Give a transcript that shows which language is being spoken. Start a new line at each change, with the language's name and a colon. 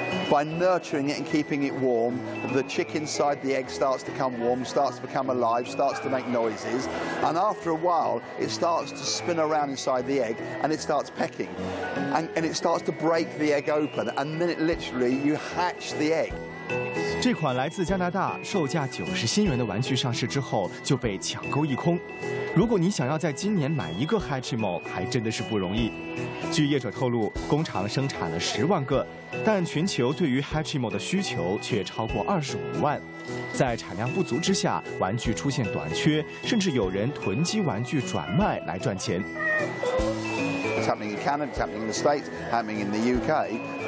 English: By nurturing it and keeping it warm, the chick inside the egg starts to come warm, starts to become alive, starts to make noises, and after a while, it starts to spin around inside the egg and it starts pecking. And it starts to break the egg open, and then it literally, you hatch the egg.
Chinese: 这款来自加拿大售价90新元的玩具上市之后就被抢购一空，如果你想要在今年买一个 Hatchimal 还真的是不容易。据业者透露，工厂生产了10万个，但全球对于 Hatchimal 的需求却超过25万，在产量不足之下，玩具出现短缺，甚至有人囤积玩具转卖来赚钱。
English: It's happening in Canada, it's happening in the States, it's happening in the UK.